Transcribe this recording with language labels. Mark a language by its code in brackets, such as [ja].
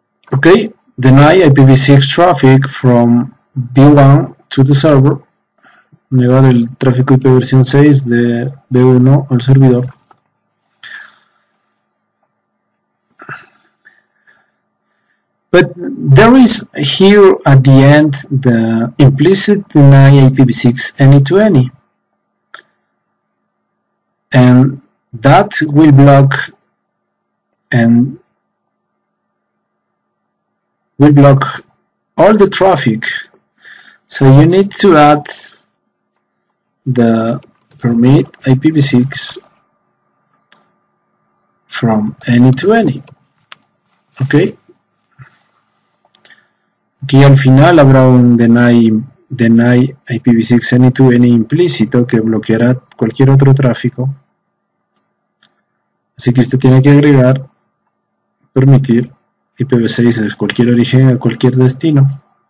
[en] Okay, deny IPv6 traffic from V1 to the server. [es] Negar el tráfico IP versión 6 de V1 al servidor. [en] But there is here at the end the implicit deny IPv6 any to any. And that will block and will block all the traffic, so you need to add the permit IPv6 from any to any. Okay. [es] Aquí al final habrá un deny IPv6 any to any implícito que bloqueará cualquier otro tráfico. Así que usted tiene que agregar permitir IPv6 de cualquier origen a cualquier destino.